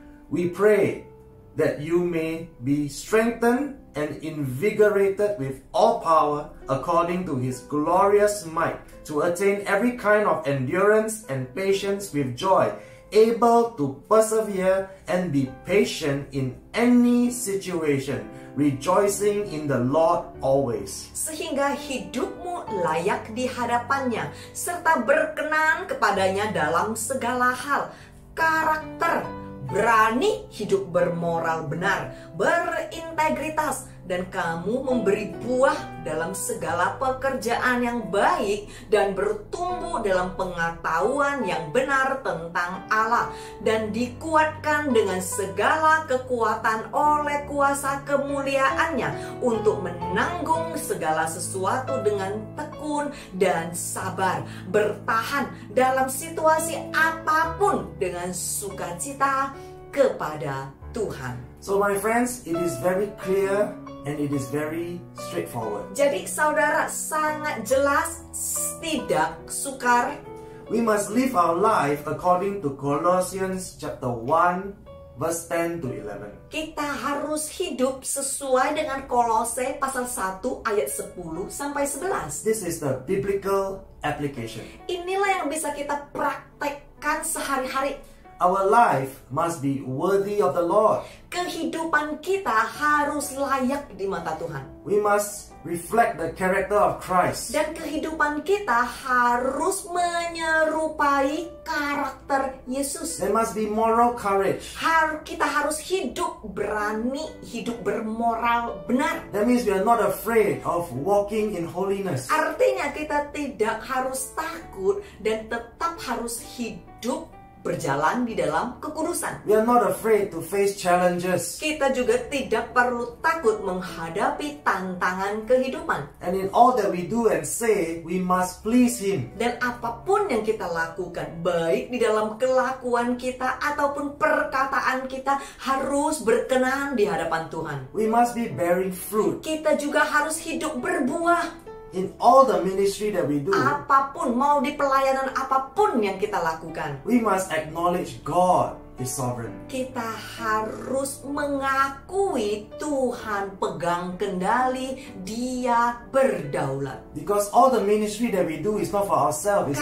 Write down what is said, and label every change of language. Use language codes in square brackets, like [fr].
[en] We pray that you may be strengthened and invigorated with all power according to His glorious might to attain every kind of endurance and patience with joy, able to persevere and be patient in any situation, rejoicing in the Lord always. [id] Sehingga hidupmu layak di hadapannya, serta berkenan kepadanya dalam segala hal, karakter, berani hidup bermoral benar, berintegritas, dan kamu memberi buah dalam segala pekerjaan yang baik dan bertumbuh dalam pengetahuan yang benar tentang Allah dan dikuatkan dengan segala kekuatan oleh kuasa kemuliaannya untuk menanggung segala sesuatu dengan tekun dan sabar, bertahan dalam situasi apapun dengan sukacita kepada Tuhan. [en] So my friends, it is very clear and it is very straightforward. [id] Jadi saudara, sangat jelas, tidak sukar. [en] We must live our life according to Colossians chapter 1 verse 10 to 11. [id] Kita harus hidup sesuai dengan Kolose pasal 1 ayat 10 sampai 11. [en] This is the biblical application. [id] Inilah yang bisa kita praktekkan sehari-hari. [en] Our life must be worthy of the Lord. [id] Kehidupan kita harus layak di mata Tuhan. [en] We must reflect the character of Christ. [id] Dan kehidupan kita harus menyerupai karakter Yesus. [en] There must be moral courage. [id] Kita harus hidup berani, hidup bermoral benar. [en] That means we are not afraid of walking in holiness. [id] Artinya kita tidak harus takut dan tetap harus hidup berjalan di dalam kekudusan. [en] We are not afraid to face challenges. [id] Kita juga tidak perlu takut menghadapi tantangan kehidupan. [en] And in all that we do and say, we must please Him. [id] Dan apapun yang kita lakukan, baik di dalam kelakuan kita ataupun perkataan kita, harus berkenan di hadapan Tuhan. [en] We must be bearing fruit. [id] Kita juga harus hidup berbuah. [en] In all the ministry that we do, [id] apapun, mau di pelayanan apapun yang kita lakukan, [en] we must acknowledge God is sovereign. [id] Kita harus mengakui Tuhan pegang kendali, Dia berdaulat. [en] Because all the ministry that we do is not for ourselves, it's